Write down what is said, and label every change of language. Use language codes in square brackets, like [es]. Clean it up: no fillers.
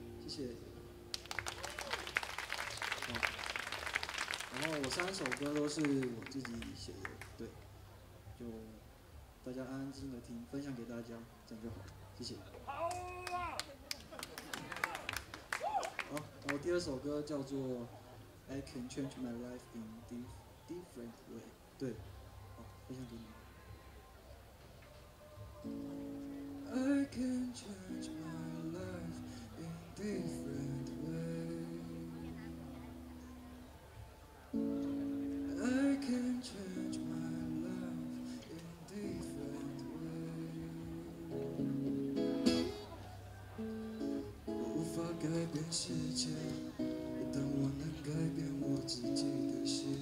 [zh] 谢。然后我三首歌都是我自己写的，对，就大家安安静静的听，分享给大家，这样就好，谢谢。好，我第二首歌叫做 I Can Change My Life in Different Way， 对，好，分享给你。 [en] I can change my life in different ways. I can change my life in different ways. [zh] 我无法改变世界，但我能改变我自己的心。